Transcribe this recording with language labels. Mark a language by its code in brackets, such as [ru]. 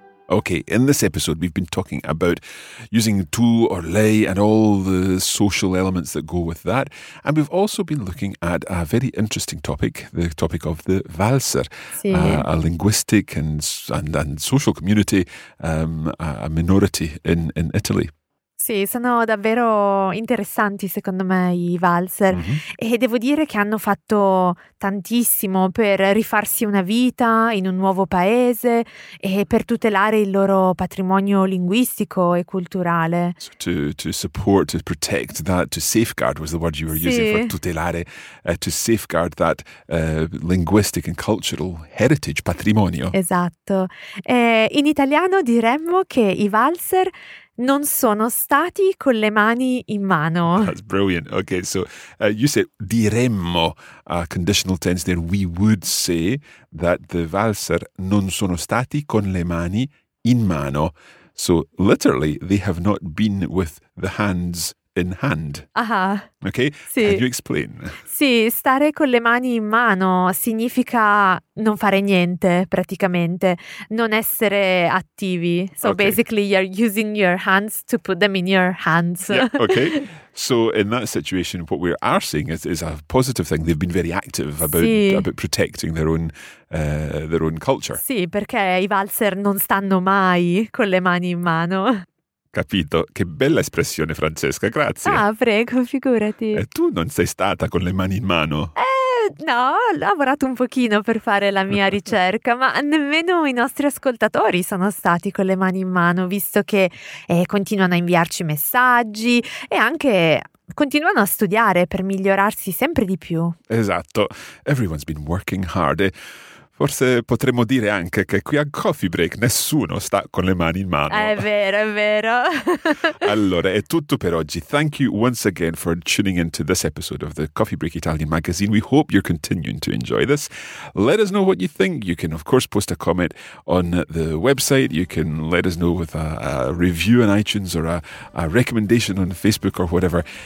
[en] Okay, in this episode, we've been talking about using tu or lei and all the social elements that go with that. And we've also been looking at a very interesting topic, the topic of the valser, [it] sí. [en] A linguistic and social community, a minority in Italy. [it] Sì, sono davvero interessanti secondo me i valzer mm-hmm. e devo dire che hanno fatto tantissimo per rifarsi una vita in un nuovo paese e per tutelare il loro patrimonio linguistico e culturale. [en] So to support, to protect that, to safeguard was the word you were [it] sì. [en] using for tutelare, to safeguard that linguistic and cultural heritage, patrimonio. [it] Esatto. In italiano diremmo che i valzer non sono stati con le mani in mano. [en] That's brilliant. Okay, so you said diremmo, a conditional tense there. We would say that the valser [it] non sono stati con le mani in mano. [en] So literally, they have not been with the hands in hand. Aha. Okay, [it] sì. [en] Can you explain? [it] Sì, stare con le mani in mano significa non fare niente, praticamente. Non essere attivi. So [en] okay. Basically, you're using your hands to put them in your hands. Yeah, okay. So in that situation, what we are seeing is a positive thing. They've been very active about protecting their own culture. [it] Sì, perché i valzer non stanno mai con le mani in mano. Capito, che bella espressione, Francesca, grazie. Ah, prego, figurati. E tu non sei stata con le mani in mano? No, ho lavorato un pochino per fare la mia ricerca, ma nemmeno i nostri ascoltatori sono stati con le mani in mano, visto che continuano a inviarci messaggi e anche continuano a studiare per migliorarsi sempre di più. Esatto, [en] everyone's been working hard. [it] Forse potremmo dire anche che qui a Coffee Break nessuno sta con le mani in mano. È vero. Allora, è tutto per oggi. [en] Thank you once again for tuning into this episode of the Coffee Break Italian Magazine. We hope you're continuing to enjoy this. Let us know what you think. You can, of course, post a comment on the website. You can let us know with a review on iTunes or a recommendation on Facebook or whatever.